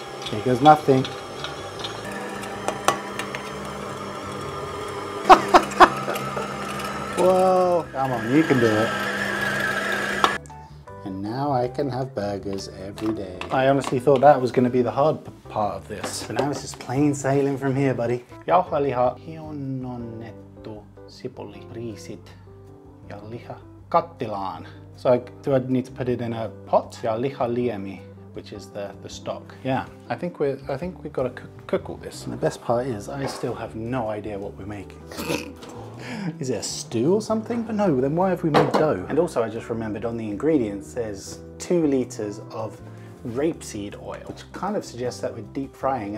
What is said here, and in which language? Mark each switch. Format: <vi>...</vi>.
<en>Here goes nothing. Whoa! Come on, you can do it. And now I can have burgers every day. I honestly thought that was going to be the hard part of this. But now it's just plain sailing from here, buddy.</en> <fi>Jauhaliha, hionnonnettu sipuli, riisit ja liha kattilaan.</fi> <en>So do I need to put it in a pot?</en> <fi>Ja liha liemi,</fi> <en>which is the stock. Yeah, I think we've got to cook all this. And the best part is, I still have no idea what we're making. Is it a stew or something? But no, then why have we made dough? And also I just remembered on the ingredients there's 2 liters of rapeseed oil, which kind of suggests that we're deep frying.</en>